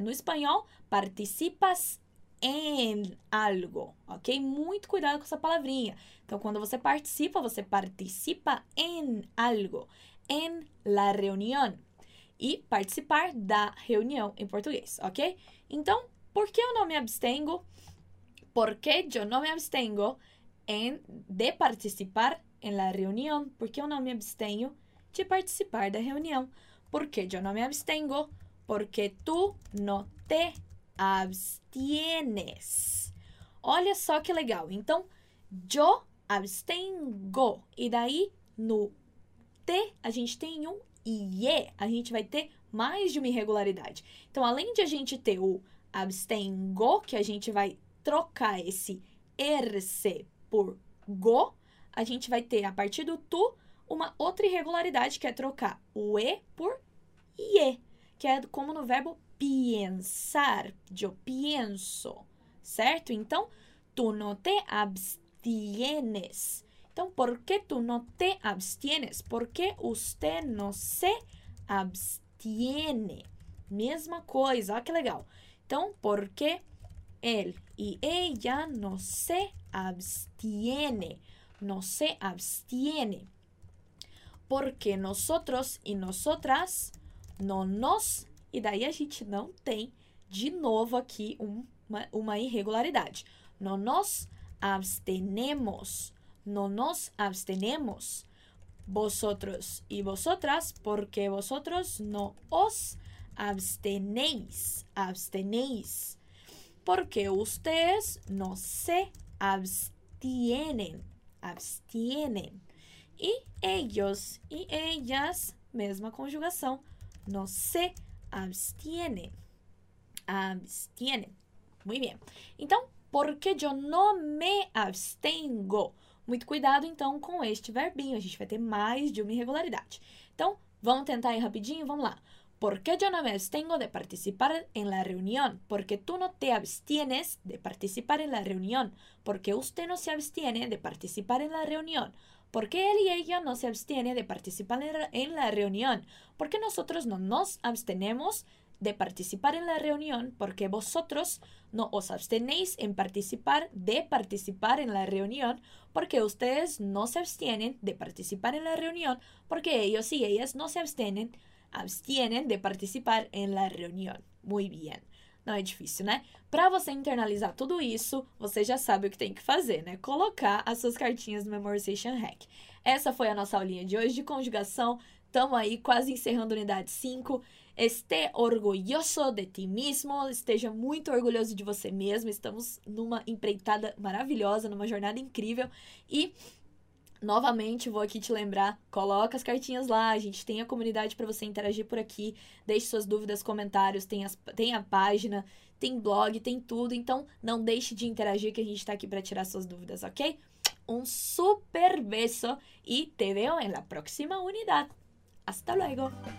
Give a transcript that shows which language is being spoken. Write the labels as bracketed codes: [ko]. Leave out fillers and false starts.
[es] No espanhol, participas en algo, ok? [pt] Muito cuidado com essa palavrinha. Então, quando você participa [es] en algo, en la reunión. [pt] E participar da reunião em português, ok? Então, por que eu não me abstengo? [es] Por que yo no me abstengo de participar en la reunión? [pt] Por que eu não me abstenho de participar da reunião? [es] ¿Por qué yo no me abstengo? Porque tú no te abstienes. [pt] Olha só que legal. Então, [es] yo abstengo. [pt] E daí, no te, a gente tem um ie. A gente vai ter mais de uma irregularidade. Então, além de a gente ter o abstengo, que a gente vai trocar esse erse por go, a gente vai ter, a partir do tu, uma outra irregularidade, que é trocar o e por IE, que é como no verbo pensar, eu penso, certo? [es] Então, tu no te abstienes. Então, por que tu no te abstienes? Porque usted no se abstiene. [pt] Mesma coisa, olha que legal. [es] Então, por que él y ella no se abstiene? No se abstiene. Porque nosotros y nosotras no nos, [pt] e daí a gente não tem de novo aqui uma irregularidade. [es] No nos abstenemos. No nos abstenemos. Vosotros e vosotras, porque vosotros no os abstenéis. Abstenéis. Porque ustedes no se abstienen. Abstienen. [pt] E ellos e ellas, mesma conjugação. [es] No se abstiene. Abstiene. Muy bien. Então, por que yo no me abstengo? [pt] Muito cuidado, então, com este verbinho. A gente vai ter mais de uma irregularidade. Então, vamos tentar aí rapidinho? Vamos lá. [es] Por que yo no me abstengo de participar en la reunión? Porque tú no te abstienes de participar en la reunión. Porque usted no se abstiene de participar en la reunión. ¿Por qué él y ella no se abstiene de participar en la reunión? ¿Por qué nosotros no nos abstenemos de participar en la reunión? ¿Por qué vosotros no os abstenéis en participar de participar en la reunión? ¿Por qué ustedes no se abstienen de participar en la reunión? Porque ellos y ellas no se abstienen de participar en la reunión. Muy bien. [pt] Não é difícil, né? Para você internalizar tudo isso, você já sabe o que tem que fazer, né? Colocar as suas cartinhas no Memorization Hack. Essa foi a nossa aulinha de hoje de conjugação. Estamos aí quase encerrando a unidade 5. [es] Esté orgulloso de ti mesmo. [pt] Esteja muito orgulhoso de você mesmo. Estamos numa empreitada maravilhosa, numa jornada incrível. E, novamente, vou aqui te lembrar, coloca as cartinhas lá, a gente tem a comunidade para você interagir por aqui, deixe suas dúvidas, comentários, tem a página, tem blog, tem tudo. Então, não deixe de interagir que a gente está aqui para tirar suas dúvidas, ok? Um super [es] beso e te veo en la próxima unidad. Hasta luego.